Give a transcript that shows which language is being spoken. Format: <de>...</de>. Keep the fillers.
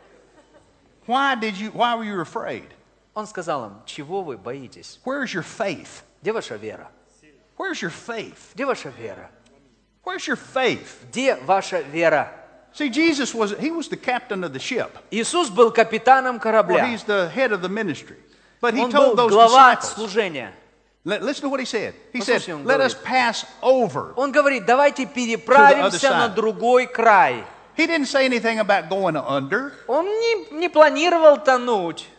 <en>why did you, why were you afraid?</en> <ru>Он сказал им, чего вы боитесь?</ru> <en>Where is your faith?</en> <ru>Где ваша вера?</ru> <en>Where's your faith? Где ваша вера? Where's your faith?</en> <ru>Где ваша вера?</ru> <en>See, Jesus was, he was the captain of the ship.</en> <ru>Иисус был капитаном корабля.</ru> <en>he's the head of the ministry. But he told those</en> <ru>глава</ru> <en>disciples,</en> <ru>служения.</ru> <en>listen to what he said. He said, let us pass over</en> <ru>Он говорит, давайте переправимся на другой край.</ru> <en>He didn't say anything about going under.</en> <ru>Он не планировал тонуть.</ru>